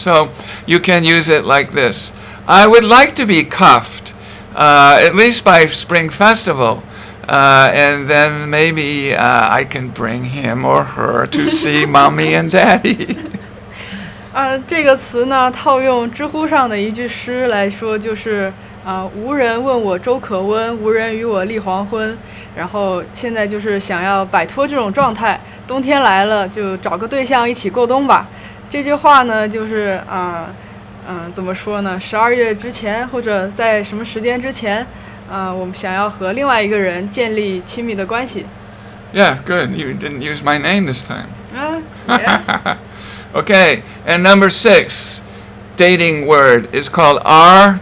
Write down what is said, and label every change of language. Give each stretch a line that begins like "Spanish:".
English: So you can use it like this. I would like to be cuffed, at least by Spring Festival, and then maybe I can bring him or her to see Mommy and Daddy.
Chinese: 这个词呢，套用知乎上的一句诗来说，就是无人问我粥可温，无人与我立黄昏。然后现在就是想要摆脱这种状态，冬天来了就找个对象一起过冬吧。这句话呢，就是怎么说呢？十二月之前或者在什么时间之前，我们想要和另外一个人建立亲密的关系。
English: Yeah, good. You didn't use my name this time. Yes. Okay. And number six, dating word is called R.